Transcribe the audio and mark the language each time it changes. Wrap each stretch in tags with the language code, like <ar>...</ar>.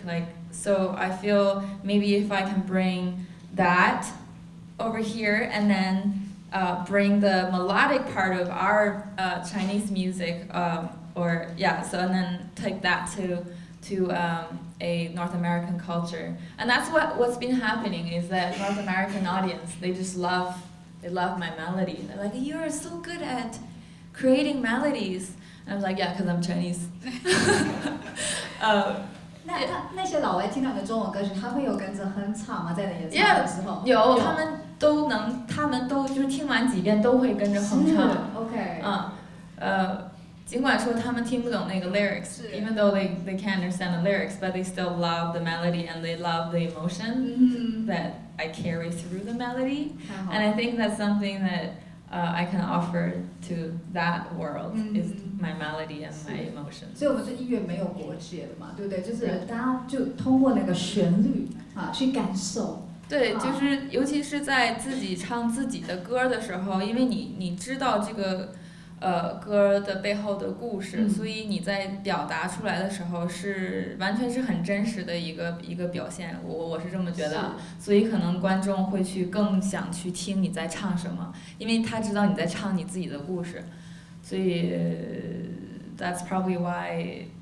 <en>Like, so I feel maybe if I can bring that over here, and then bring the melodic part of our Chinese music, and then take that to a North American culture. And that's what's been happening, is that North American audience, they love my melody. They're like, you are so good at creating melodies. And I'm like, yeah, because I'm Chinese.</en> <zh>那些老外听到你的中文歌曲，他会有跟着哼唱吗？在你演唱的时候， yeah, 有，他们都能，他们都就是听完几遍都会跟着哼唱。 OK。尽管说他们听不懂那个 lyrics，</zh> <en>even though they can't understand the lyrics， but they still love the melody and they love the emotion、mm-hmm. that I carry through the melody。 And I think that's something that I can offer to that world、mm-hmm. is my melody and my emotion.</en> <zh>所以我们是音乐没有国界的嘛，对不对？就是大家就通过那个旋律啊去感受。对，就是尤其是在自己唱自己的歌的时候，因为你知道这个歌的背后的故事、嗯，所以你在表达出来的时候是完全是很真实的一个表现，我是这么觉得，所以可能观众会去更想去听你在唱什么，因为他知道你在唱你自己的故事，所以</zh> <en>that's probably why</en>